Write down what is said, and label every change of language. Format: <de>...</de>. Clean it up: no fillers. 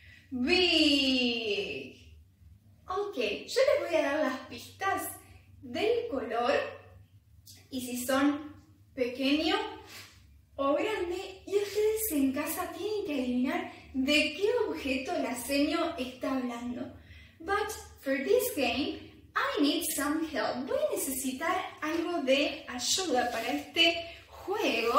<en>Big.</en> <es>Ok, yo les voy a dar las pistas del color y si son pequeño o grande, y ustedes en casa tienen que adivinar de qué objeto la seño está hablando.</es> <en>But for this game, I need some help.</en> <es>Voy a necesitar algo de ayuda para este juego.</es>